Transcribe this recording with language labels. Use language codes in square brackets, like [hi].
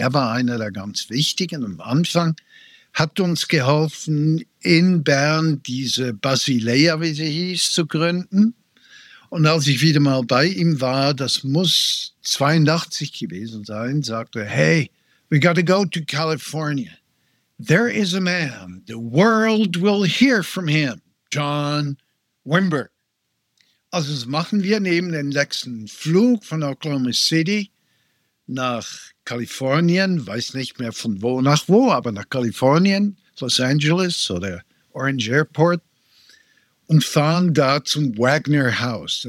[de] Er war einer der ganz wichtigen am Anfang. Hat uns geholfen, in Bern diese Basilea, wie sie hieß, zu gründen. Und als ich wieder mal bei ihm war, das muss 82 gewesen sein, sagte er, [en] hey, we gotta go to California. There is a man, the world will hear from him, John Wimber. [de] Also das machen wir neben dem letzten Flug von Oklahoma City nach Kalifornien, weiß nicht mehr von wo nach wo, aber nach Kalifornien, Los Angeles oder Orange Airport und fahren da zum Wagner House.